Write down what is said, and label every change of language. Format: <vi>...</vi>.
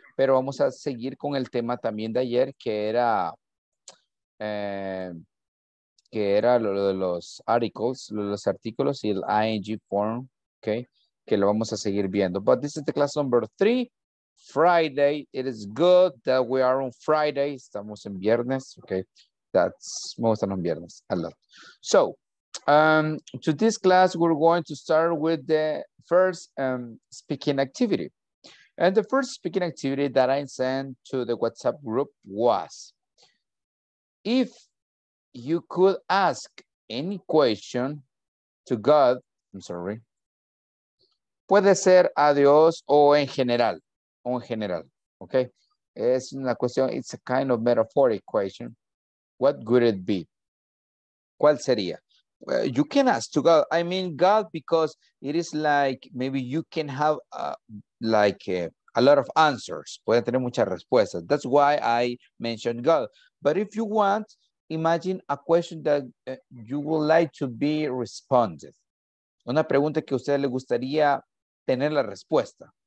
<es>Pero vamos a seguir con el tema también de ayer, que era lo de los articles, los artículos y el ing form, okay, que lo vamos a seguir viendo.</es> <en>But this is the class number 3, Friday. It is good that we are on Friday.</en> <es>Estamos en viernes,</es> <en>okay. That's, most of them viernes, a lot. So, to this class, we're going to start with the first speaking activity. And the first speaking activity that I sent to the WhatsApp group was, if you could ask any question to God, I'm sorry,</en> <es>puede ser a Dios o en general,</es> <en>okay?</en> <es>Es una cuestión,</es> <en>it's a kind of metaphoric question. What would it be?</en> <es>¿Cuál sería?</es> <en>You can ask to God. I mean God because it is like maybe you can have a lot of answers.</en> <es>Puede tener muchas respuestas.</es> <en>That's why I mentioned God. But if you want, imagine a question that you would like to be responded.</en> <es>Una pregunta que a usted le gustaría tener la respuesta.</es>